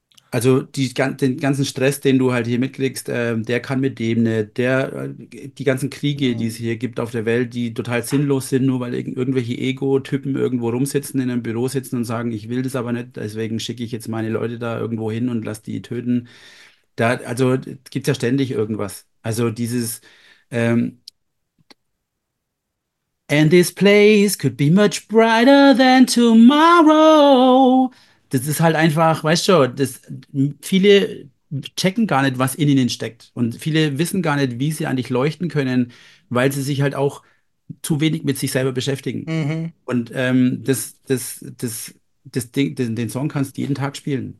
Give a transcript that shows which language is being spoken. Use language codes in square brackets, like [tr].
[de] Also den ganzen Stress, den du halt hier mitkriegst, der kann mit dem nicht. Die ganzen Kriege, die es hier gibt auf der Welt, die total sinnlos sind, nur weil irgendwelche Ego-Typen irgendwo rumsitzen, in einem Büro sitzen und sagen, ich will das aber nicht, deswegen schicke ich jetzt meine Leute da irgendwo hin und lass die töten. Also gibt es ja ständig irgendwas. Also dieses [en] And this place could be much brighter than tomorrow. [de] Das ist halt einfach, weißt du, viele checken gar nicht, was in ihnen steckt. Und viele wissen gar nicht, wie sie an dich leuchten können, weil sie sich halt auch zu wenig mit sich selber beschäftigen. Mhm. Und das Ding, den Song kannst du jeden Tag spielen.